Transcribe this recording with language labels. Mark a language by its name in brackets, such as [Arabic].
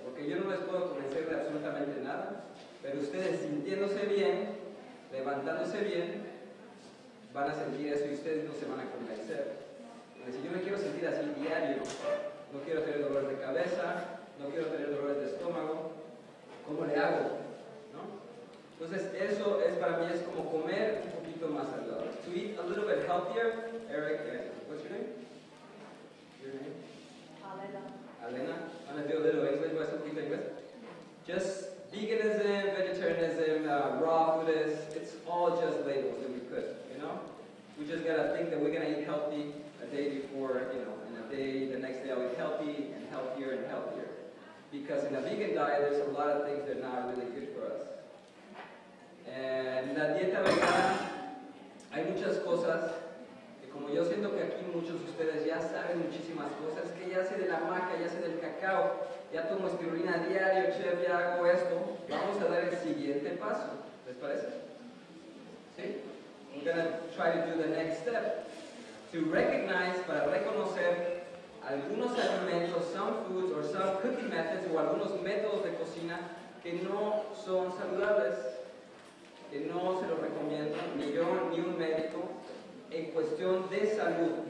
[Spanish] Porque yo no les puedo convencer de absolutamente nada, pero ustedes sintiéndose bien, levantándose bien, van a sentir eso y ustedes no se van a convencer. Si yo me quiero sentir así diario, no quiero tener dolores de cabeza, no quiero tener dolores de estómago, ¿cómo le hago? ¿No? Entonces eso es, para mí es como comer un poquito más saludable. [English] To eat a little bit healthier, Eric, what's your name? Alena. Alena, I'm gonna do a little English, but something like that. Just veganism, vegetarianism, raw foodism, it's all just labels that we put, you know? We just gotta think that we're gonna eat healthy a day before, you know, and a day, the next day I'll eat healthy and healthier and healthier. Because in a vegan diet, there's a lot of things that are not really good for us. [Spanish] And la dieta vegana, hay muchas cosas, y como yo siento que aquí muchos de ustedes ya saben muchísimas cosas, que ya sé de la maca, ya sé del cacao, ya tomo espirulina a diario, chef, ya hago esto, vamos a dar el siguiente paso. ¿Les parece? ¿Sí? [English] I'm going to try to do the next step. To recognize, [Spanish] para reconocer algunos alimentos, [English] some foods or some cooking methods [Spanish] o algunos métodos de cocina que no son saludables, que no se los recomiendo ni yo ni un médico en cuestión de salud.